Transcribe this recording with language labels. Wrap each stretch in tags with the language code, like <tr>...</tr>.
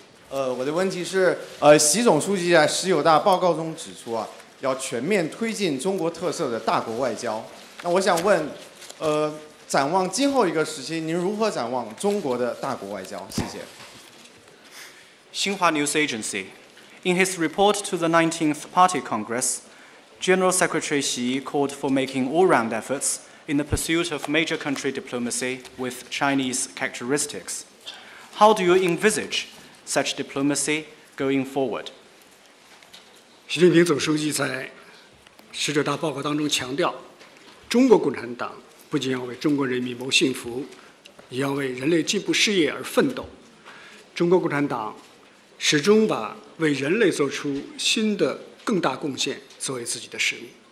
<zh>我的问题是， 习总书记在十九大报告中指出啊， 要全面推进中国特色的大国外交，那我想问， 展望今后一个时期， 您如何展望中国的大国外交？谢谢。</zh> <en>Xinhua News Agency. In his report to the 19th Party Congress, General Secretary Xi called for making all-round efforts in the pursuit of major country diplomacy with Chinese characteristics. How do you envisage such diplomacy going forward?</en> <zh>Xi Jinping 总书记在十九大报告当中强调，中国共产党不仅要为中国人民谋幸福，也要为人类进步事业而奋斗。中国共产党 始终把为人类做出新的更大贡献作为自己的使命。</zh>